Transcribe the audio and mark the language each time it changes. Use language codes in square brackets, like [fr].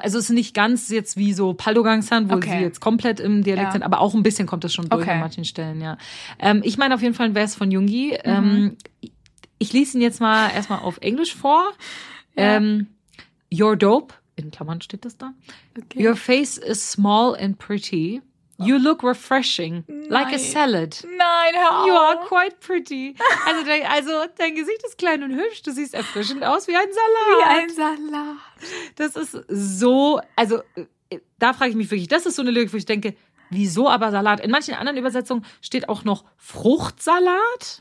[de] Also es ist nicht ganz jetzt wie so Paldogangsan, wo sie jetzt komplett im Dialekt sind. Aber auch ein bisschen kommt das schon durch an manchen Stellen, ja. Ich meine auf jeden Fall ein Vers von Jungi. Ich lese ihn jetzt mal erstmal auf Englisch vor. [en] You're dope. [de] In Klammern steht das da. Okay. [en] Your face is small and pretty. You look refreshing, like a salad. [de] Nein, hör auf. [en] You are quite pretty. [de] Also dein Gesicht ist klein und hübsch, du siehst erfrischend aus wie ein Salat. Wie ein Salat. Das ist so, also da frage ich mich wirklich, das ist so eine Lyrik, wo ich denke, wieso aber Salat? In manchen anderen Übersetzungen steht auch noch Fruchtsalat.